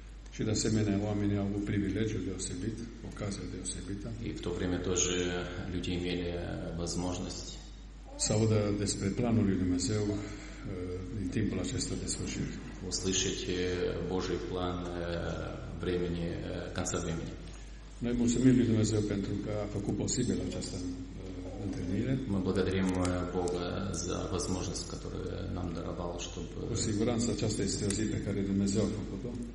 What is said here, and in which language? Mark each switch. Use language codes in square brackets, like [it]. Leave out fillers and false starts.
[ro] Și de asemenea, oamenii au avut privilegiul deosebit, ocazia deosebită. [ru] И в то время тоже люди имели возможность [ro] să audă despre planul lui Dumnezeu în timpul acesta de sfârșit. [ru] Услышать Божий план времени, конца времени. [ro] Noi mulțumim lui Dumnezeu pentru că a făcut posibil această întâlnire. [ru] Мы благодарим Бога за возможность, которую нам даровал, чтобы... [ro] Cu siguranță aceasta este o zi pe care Dumnezeu a făcut-o.